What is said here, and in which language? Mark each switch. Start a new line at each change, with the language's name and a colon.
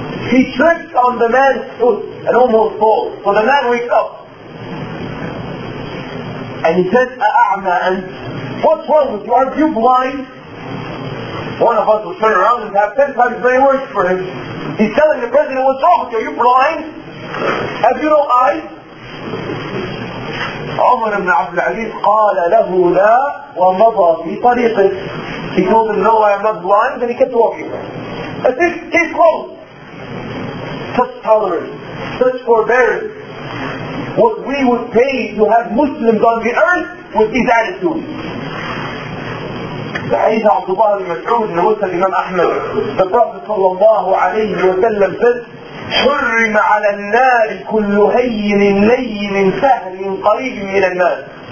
English: He trips on the man's foot and almost falls. So the man wakes up. And he says, A'ama ant, what's wrong with you? Aren't you blind? One of us will turn around and have 10 times many words for him. He's telling the president, what's wrong with you? Are you blind? Have you no eyes?
Arabic: Umar ibn Abdul Aziz قال له لا ومضى في طريقه.
English: He told him, no, I am not blind, and he kept walking. As if he's close. Such tolerance, such forbearance. What we would pay to have Muslims on the earth with these attitudes. The Hadith of Abdullah ibn Mas'ud in the Muslim Imam Ahmad, the Prophet sallallahu alayhi wa sallam said,
Arabic: حرم على النار كل هين لين سهل قريب من الناس.